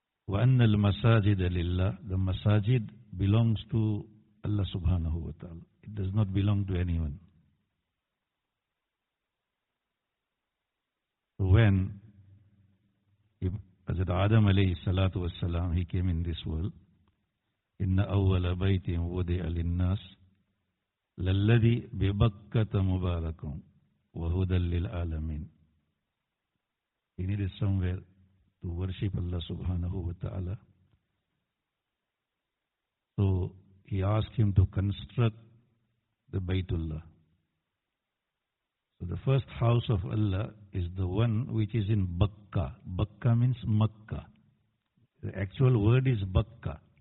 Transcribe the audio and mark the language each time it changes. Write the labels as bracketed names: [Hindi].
[Arabic] وَأَنَّ الْمَسَاجِدَ لِلَّهِ. [English] The masajid belongs to Allah subhanahu wa ta'ala. It does not belong to anyone. When Hazrat Adam alayhi salatu was salam, he came in this world. [Arabic] إِنَّ أَوَّلَ بَيْتٍ وُدِعَ لِلنَّاسِ لَلَّذِي بِبَكَّةَ مُبَارَكٌ وَهُدَى لِلْعَالَمِينَ. [English] He needed somewhere to worship Allah subhanahu wa ta'ala. So he asked him to construct the Baytullah. So the first house of Allah is the one which is in Bakka. Bakka means Makkah. The actual word is Bakka.